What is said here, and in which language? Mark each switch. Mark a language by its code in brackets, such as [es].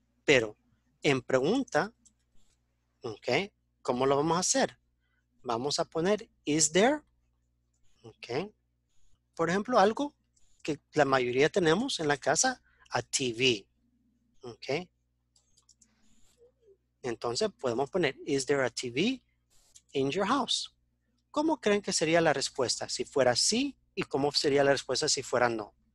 [es] Pero en pregunta, okay, ¿cómo lo vamos a hacer? Vamos a poner [en] is there. [es] Okay. Por ejemplo, algo que la mayoría tenemos en la casa, a TV. Okay. Entonces podemos poner, [en] is there a TV in your house? [es] ¿Cómo creen que sería la respuesta si fuera sí? ¿Y cómo sería la respuesta si fuera no?